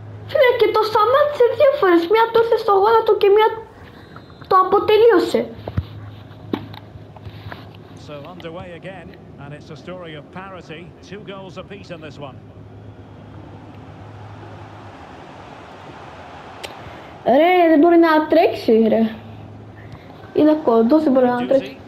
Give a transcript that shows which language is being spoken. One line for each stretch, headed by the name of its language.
Greek: Φίλε, και το σταμάτησε δύο φορές. Μία του ήρθε στο γόνατο και μία το αποτελείωσε.
English: So underway again, and it's a story of parity. Two goals apiece in this one.
Greek: Ρε, δεν μπορεί να τρέξει, ρε. Είναι κοντό, δεν μπορεί να τρέξει.